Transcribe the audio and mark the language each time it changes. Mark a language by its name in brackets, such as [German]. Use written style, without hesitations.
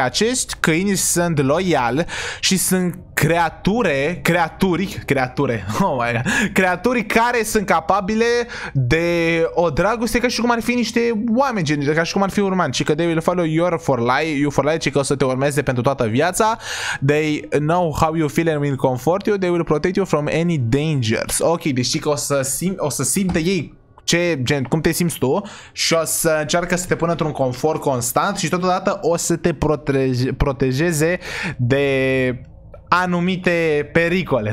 [Romanian] Acești câini sunt loiali și sunt creaturi care sunt capabile de o dragoste ca și cum ar fi niște oameni, gen, ca și cum ar fi urman. Și că [English] they will follow you for life, [Romanian] ci că o să te urmeze pentru toată viața. [English] They know how you feel and will comfort you. They will protect you from any dangers. [Romanian] Ok, deci știi că o să simtă ei ce gen, cum te simți tu și o să încearcă să te pună într-un confort constant și totodată o să te protejeze de anumite pericole.